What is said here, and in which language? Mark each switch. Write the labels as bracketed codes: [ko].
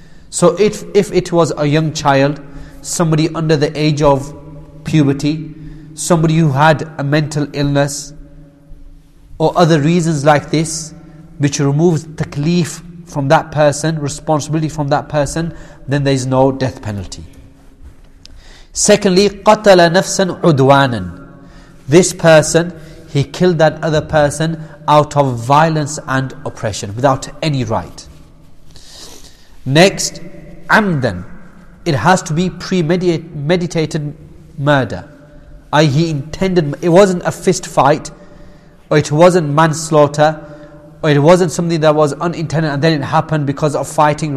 [en] So if it was a young child, somebody under the age of puberty, somebody who had a mental illness, or other reasons like this, which removes taklif from that person, responsibility from that person, then there is no death penalty. Secondly, [ar] قَتَلَ نَفْسًا عُدْوَانًا. [en] This person, he killed that other person out of violence and oppression, without any right. Next, عَمْدًا. It has to be premeditated murder. He intended, it wasn't a fist fight, or it wasn't manslaughter, or it wasn't something that was unintended and then it happened because of fighting.